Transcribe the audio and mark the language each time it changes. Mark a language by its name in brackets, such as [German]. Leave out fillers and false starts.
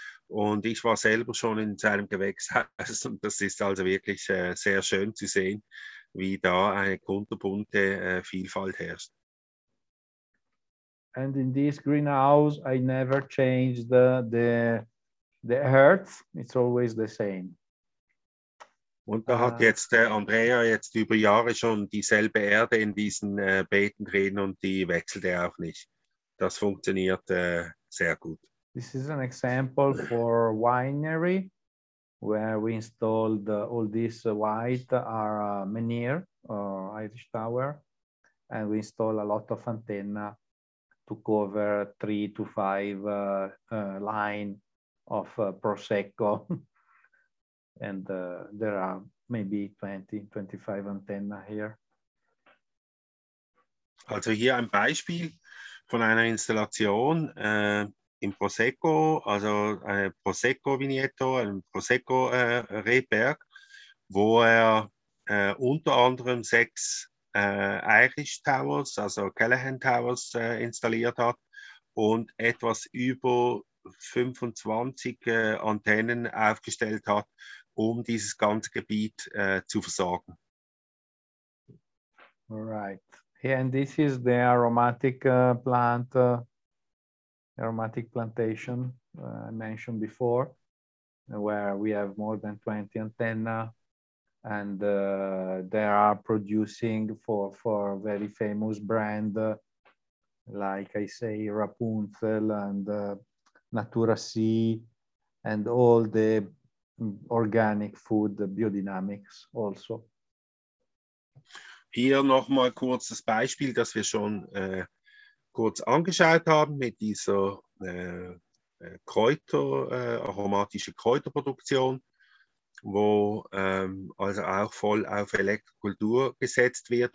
[German] Und ich war selber schon in seinem Gewächshaus. Und das ist also wirklich sehr schön zu sehen, wie da eine kunterbunte Vielfalt herrscht. [English] And in this greenhouse, I never changed the earth. It's always the same. [German] Und da hat jetzt Andrea jetzt über Jahre schon dieselbe Erde in diesen Beeten drin und die wechselt er auch nicht. Das funktioniert sehr gut. [English] This is an example for winery, where we installed all this white manure, Irish tower, and we install a lot of antenna to cover 3 to 5 line of Prosecco. And there are maybe 20, 25 antenna here. [German] Also hier ein Beispiel von einer Installation im Prosecco, also ein Prosecco Vigneto, ein Prosecco Rebberg, wo er unter anderem 6 Irish Towers, also Callaghan Towers installiert hat und etwas über 25 Antennen aufgestellt hat, um dieses ganze Gebiet zu versorgen. [English] All right. Yeah, and this is the aromatic plant, aromatic plantation I mentioned before. where we have more than 20 antenna, and they are producing for a very famous brand, like I say, Rapunzel and Natura C, and all the organic food, the biodynamics also. [German] Hier nochmal kurz das Beispiel, das wir schon kurz angeschaut haben mit dieser aromatischen Kräuterproduktion, wo also auch voll auf Elektrokultur gesetzt wird.